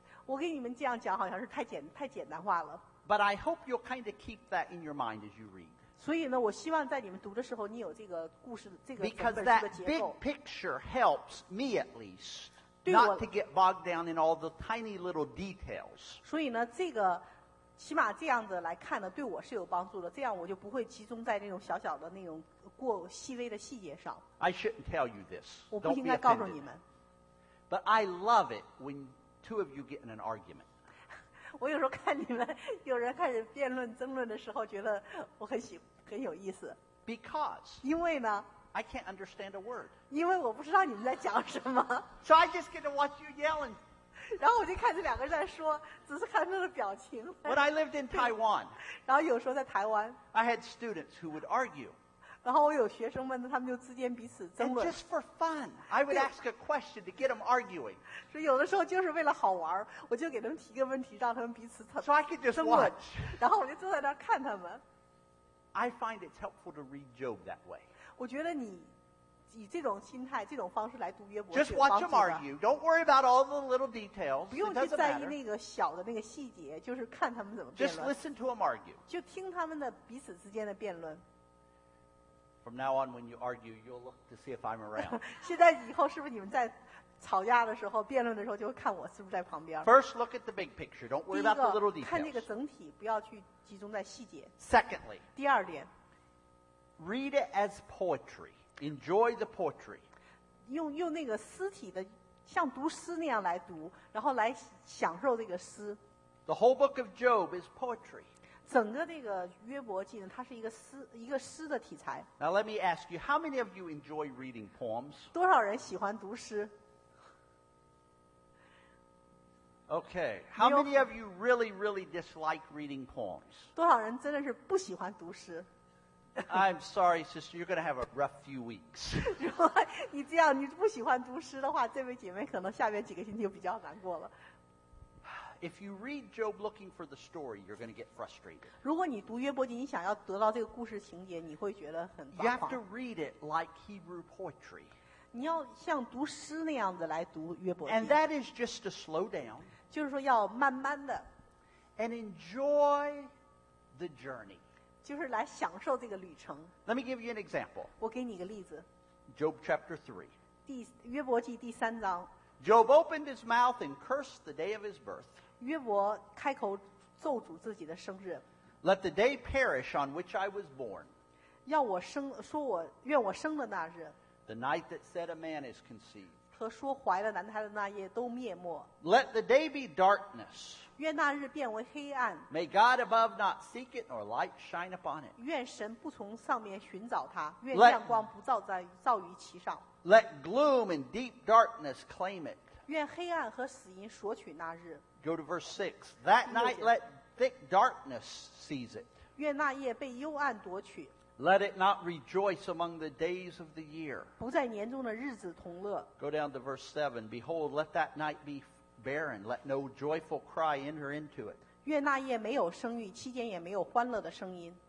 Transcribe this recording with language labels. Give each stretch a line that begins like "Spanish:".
Chinese: 我给你们这样讲，好像是太简单化了。
English: But I hope you'll kind of keep that in your mind as you read.
Chinese: 所以呢，我希望在你们读的时候，你有这个故事的这个本书的结构。
English: Because that big picture helps me at least not to get bogged down in all the tiny little details.
Chinese: 所以呢，这个起码这样子来看呢，对我是有帮助的。这样我就不会集中在那种小小的那种过细微的细节上。
English: I shouldn't tell you this.
Chinese: 我不应该告诉你们。
English: But I love it when two of you get in an argument.
Chinese: 我有时候看你们有人开始辩论争论的时候觉得我很有意思
English: Because
Chinese: 因为呢
English: I can't understand a word
Chinese: 因为我不知道你们在讲什么
English: So I just get to watch you yelling
Chinese: 然后我就看这两个人在说只是看他们的表情
English: When I lived in Taiwan
Chinese: 然后有时候在台湾
English: I had students who would argue
Chinese: 然后我有学生们他们就之间彼此争论
English: And just for fun I would ask a question to get them arguing
Chinese: 所以有的时候就是为了好玩我就给他们提个问题让他们彼此争论
English: So I could just watch
Chinese: 然后我就坐在那儿看他们
English: I find it's helpful to read Job that way
Chinese: 我觉得你以这种心态这种方式来读约伯是
English: Just watch them argue Don't worry about all the little details
Chinese: 不用去在意那个小的那个细节就是看他们怎么辩论
English: Just listen to them argue
Chinese: 就听他们的彼此之间的辩论
English: From now on, when you argue, you'll look to see if I'm around.
Chinese: 现在以后是不是你们在吵架的时候、辩论的时候，就会看我是不是在旁边
English: ？First, look at the big picture. Don't worry about the little details.
Chinese: 第一个，看这个整体，不要去集中在细节。
English: Secondly,
Chinese: 第二点
English: ，read it as poetry. Enjoy the poetry.
Chinese: 用那个诗体的，像读诗那样来读，然后来享受这个诗。
English: The whole book of Job is poetry.
Chinese: 整个这个约伯记呢，它是一个诗的题材。
English: Now let me ask you, how many of you enjoy reading poems?
Chinese: 多少人喜欢读诗
English: ？Okay, how many of you really, really dislike reading poems?
Chinese: 多少人真的是不喜欢读诗
English: ？I'm sorry, sister, you're going to have a rough few weeks.
Chinese: 如果你这样，你不喜欢读诗的话，这位姐妹可能下面几个星期就比较难过了。
English: If you read Job looking for the story, you're going to get frustrated.
Chinese: 如果你读约伯记，你想要得到这个故事情节，你会觉得很抓狂。
English: You have to read it like Hebrew poetry.
Chinese: 你要像读诗那样子来读约伯记。
English: And that is just to slow down.
Chinese: 就是说要慢慢的。
English: And enjoy the journey.
Chinese: 就是来享受这个旅程。
English: Let me give you an example.
Chinese: 我给你个例子。
English: Job chapter 3.
Chinese: 约伯记第三章。
English: Job opened his mouth and cursed the day of his birth.
Chinese: 约伯开口咒诅自己的生日。
English: Let the day perish on which I was born.
Chinese: 要我生，说我愿我生的那日。
English: The night that said a man is conceived.
Chinese: 和说怀了男胎的那夜都灭没。
English: Let the day be darkness.
Chinese: 愿那日变为黑暗。
English: May God above not seek it nor light shine upon it.
Chinese: 愿神不从上面寻找它，愿亮光不照在照于其上。
English: Let gloom and deep darkness claim it.
Chinese: 愿黑暗和死荫索取那日。
English: Go to verse 6. That night let thick darkness seize it.
Chinese: 愿那夜被幽暗夺取。
English: Let it not rejoice among the days of the year.
Chinese: 不在年中的日子同乐。
English: Go down to verse 7. Behold, let that night be barren. Let no joyful cry enter into it.
Chinese: 愿那夜没有声育，期间也没有欢乐的声音。